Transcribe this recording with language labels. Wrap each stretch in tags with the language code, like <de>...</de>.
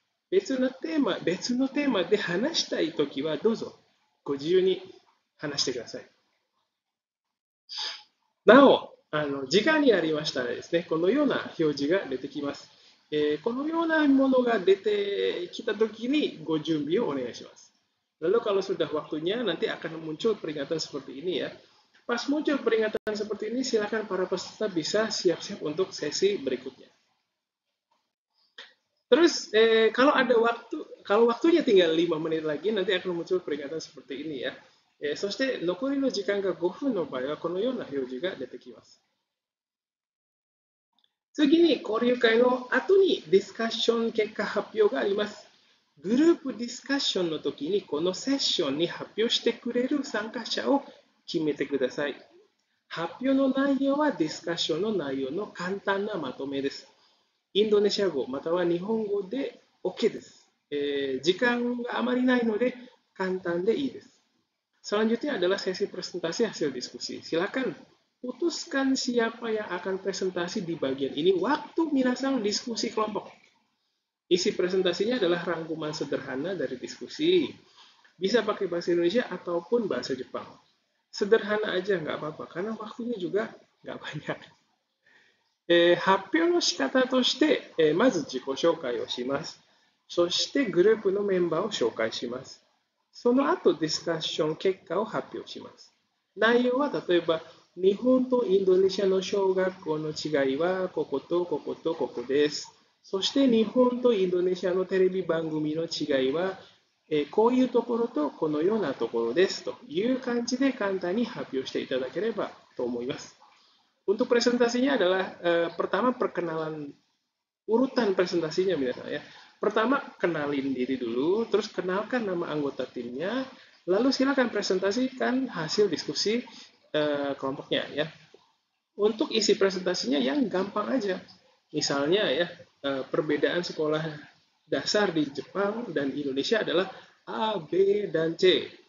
<ja>別のテーマで話したいときはどうぞご自由に話してください。なお、時間になりましたらですね、このような表示が出てきます。このようなものが出てきたときにご準備をお願いします。</ja> <id>Lalu kalau sudah waktunya, nanti akan muncul peringatan seperti ini ya. Pas muncul peringatan seperti ini, silakan para peserta bisa siap-siap untuk sesi berikutnya. Terus, kalau ada waktu, kalau waktunya tinggal 5 menit lagi, nanti akan muncul peringatan seperti ini ya.</id> <ja>そして残りの時間が5分の場合はこのような表示が出てきます。次に交流会の後にディスカッション結果発表があります。グループディスカッションの時にこのセッションに発表してくれる参加者を決めてください。発表の内容はディスカッションの内容の簡単なまとめです。インドネシア語または日本語で OK です。時間があまりないので簡単でいいです。</ja> <id>Selanjutnya adalah sesi presentasi hasil diskusi. Silakan putuskan siapa yang akan presentasi di bagian ini waktu Minasang diskusi kelompok. Isi presentasinya adalah rangkuman sederhana dari diskusi. Bisa pakai bahasa Indonesia ataupun bahasa Jepang. Sederhana aja nggak apa-apa karena waktunya juga nggak banyak.</id> <ja>発表の仕方として、まず自己紹介をします。そしてグループのメンバーを紹介します。その後、ディスカッション結果を発表します。内容は、例えば、日本とインドネシアの小学校の違いは、こことこことここです。そして、日本とインドネシアのテレビ番組の違いは、こういうところとこのようなところです。という感じで、簡単に発表していただければと思います。</ja> <id>Untuk presentasinya adalah, pertama, perkenalan urutan presentasinya, misalnya. Pertama, kenalin diri dulu, terus kenalkan nama anggota timnya, lalu silakan presentasikan hasil diskusi kelompoknya ya. Untuk isi presentasinya yang gampang aja, misalnya ya, perbedaan sekolah dasar di Jepang dan Indonesia adalah A, B, dan C.</id>